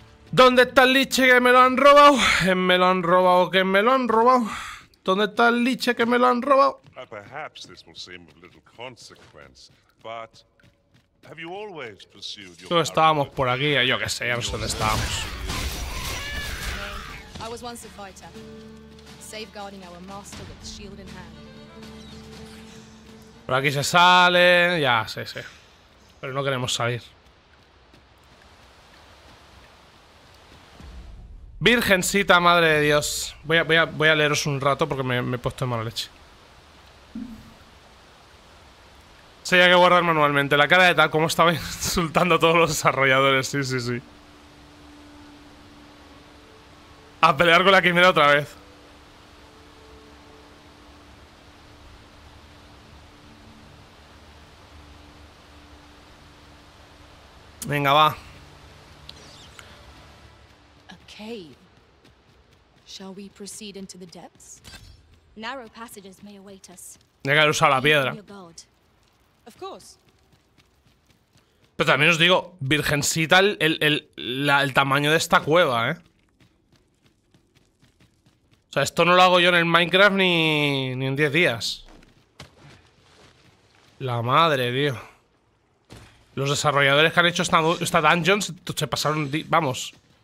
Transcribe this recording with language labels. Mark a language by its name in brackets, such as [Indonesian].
[Spanish] ¿Dónde está el liche que me lo han robado? ¿Me lo han robado? ¿Que me lo han robado? ¿Dónde está el liche que me lo han robado? [English] Perhaps this will seem of little consequence, but have you always pursued your... [Spanish] ¿Dónde estábamos por aquí? Yo qué sé, ¿dónde estábamos? [English] I was once a fighter, safeguarding our master with shield in hand. [Spanish] Por aquí se sale, ya sé, sí. Pero no queremos salir. Virgencita, madre de Dios. Voy a leeros un rato porque me he puesto en mala leche. Se había que guardar manualmente. La cara de tal como estaba insultando a todos los desarrolladores. Sí, sí, sí. A pelear con la quimera otra vez. Venga, va. [English] Okay. Shall we proceed into the depths? Narrow passages may await us. [Spanish] Llegar a usar la piedra. [English] Of course. [Spanish] Pero también os digo, virgencita, el tamaño de esta cueva, ¿eh? O sea, esto no lo hago yo en el Minecraft ni en 10 días. La madre, tío. Los desarrolladores que han hecho esta dungeon se pasaron, vamos.